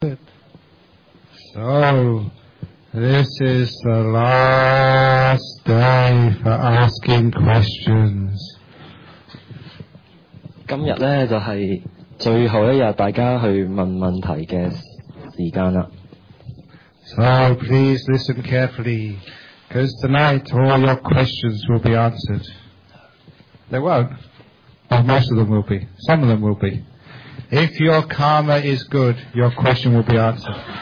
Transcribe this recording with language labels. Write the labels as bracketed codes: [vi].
[en] Oh, this is the last day for asking questions. [yue] 今日咧就系最后一日，大家去问问题嘅时间啦。 [en] So please listen carefully, because tonight all your questions will be answered. They won't, but most of them will be. Some of them will be. If your karma is good, your question will be answered.